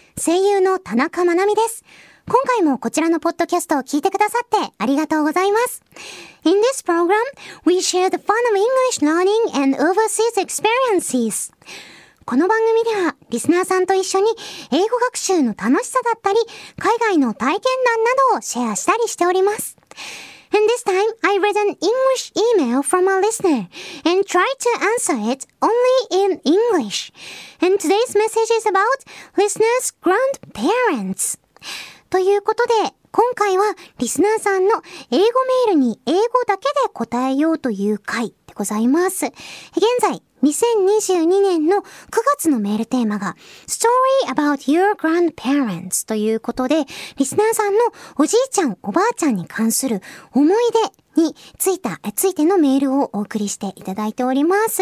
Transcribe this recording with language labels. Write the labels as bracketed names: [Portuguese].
[Japanese] 声優の田中まなみです。今回もこちらのポッドキャストを聞いてくださってありがとうございます。 [English] In this program, we share the fun of English learning and overseas experiences. [Japanese] この番組では、リスナーさんと一緒に英語学習の楽しさだったり、海外の体験談などをシェアしたりしております。 [English] And this time, I read an English email from a listener and tried to answer it only in English. And today's message is about listeners' grandparents. [Japanese] ということで、今回はリスナーさんの英語メールに英語だけで答えようという回でございます。現在、2022年の9月のメールテーマが [English] Story about your grandparents [Japanese] ということで、リスナーさんのおじいちゃんおばあちゃんに関する思い出についてのメールをお送りしていただいております。